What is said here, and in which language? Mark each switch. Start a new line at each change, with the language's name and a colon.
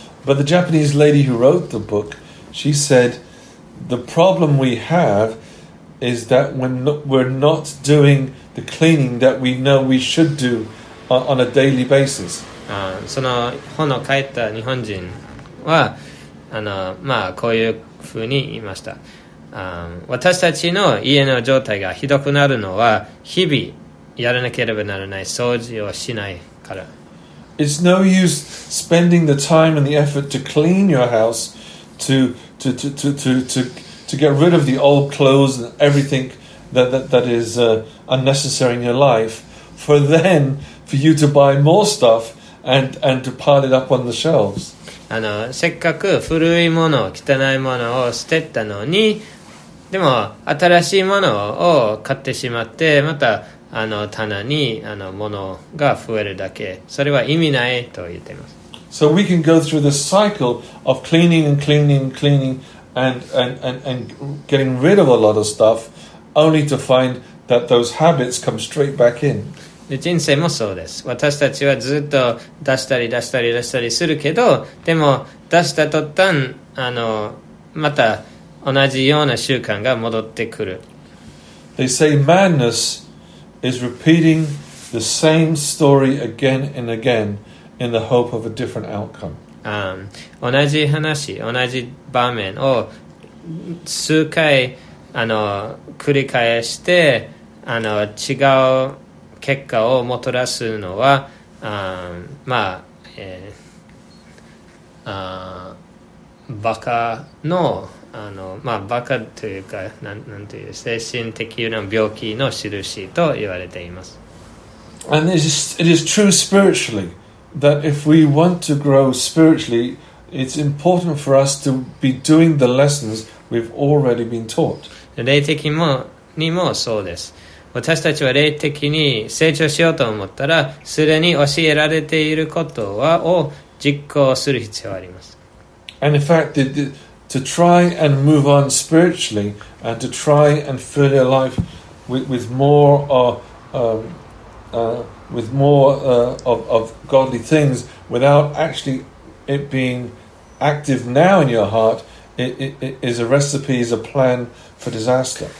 English: But the Japanese lady who wrote the book, she said, the problem we have is that we're not doing the cleaning that we know we should do on a daily basis.
Japanese: その本を書いた日本人はあの、まあ、こういうふうに言いました。私たちの家の状態がひどくなるのは日々やらなければならない掃除をしないから。
English: It's no use spending the time and the effort to clean your house to get rid of the old clothes and everything that is unnecessary in your life for then for you to buy more stuff and to pile it up on the shelves.
Japanese: あの、せっかく古いもの汚いものを捨てたのに、でも新しいものを買ってしまって、またあの棚にあの物が増えるだけ、それは意味ないと言っています。
English: So we can go through the cycle of cleaning and cleaning and cleaning and getting rid of a lot of stuff only to find that those habits come straight back in.
Japanese: 人生もそうです。私たちはずっと出したり出したり出したりするけど、でも出した途端あのまた同じような習慣が戻ってくる。
English: They say madness is repeating the same story again and again in the hope of a different outcome.
Japanese: 同じ話、同じ場面を数回あの繰り返してあの違う結果をもたらすのは、まあ、バカのあのまあ、バカというか、なんていう精神的な病気の印と言われています。
English: And it is true spiritually that if we want to grow spiritually, it's important for us to be doing the lessons we've already been taught.
Japanese: 霊的にもそうです。私たちは霊的に成長しようと思ったら、すでに教えられていることはを実行する必要があります。
English: And in fact to try and move on spiritually and to try and fill your life with more of godly things without actually it being active now in your heart is a plan for disaster.